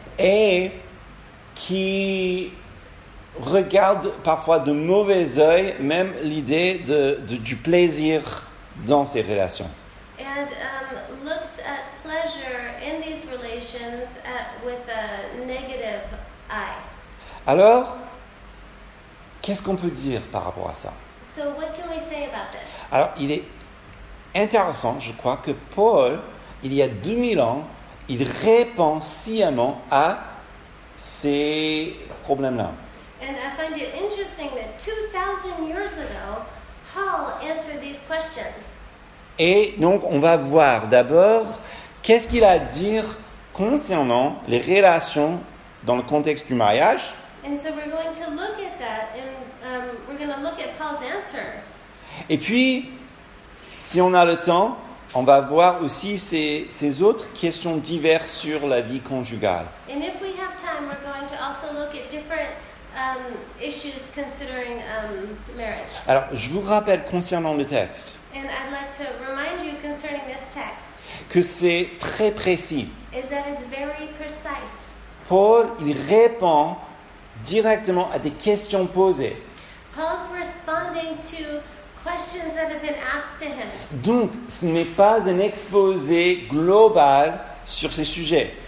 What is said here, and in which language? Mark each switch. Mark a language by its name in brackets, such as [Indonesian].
[French] Et qui regarde parfois de mauvais œil même l'idée du plaisir dans ces relations. [English] And looks at pleasure in these relations with a negative eye. [French] Alors, qu'est-ce qu'on peut dire par rapport à ça? [English] So what can we say about this? [French] Alors, il est intéressant, je crois, que Paul, il y a 2000 ans, il répond sciemment à ces problèmes-là. [English] And I find it interesting that 2,000 years ago, Paul answered these questions. [French] Et donc, on va voir d'abord qu'est-ce qu'il a à dire concernant les relations dans le contexte du mariage. [English] And so we're going to look at that and we're going to look at Paul's answer. [French] Et puis, si on a le temps, on va voir aussi ces autres questions diverses sur la vie conjugale. [English] And if we have time, we're going to also look at different issues considering marriage. [French] Alors, je vous rappelle concernant le texte. [English] And I'd like to remind you concerning this text. [French] Que c'est très précis. [English] Is that it's very precise. [French] Paul, il répond directement à des questions posées. [English] Paul's responding to questions that have been asked to him. [French] Donc, ce n'est pas un exposé global sur ces sujets.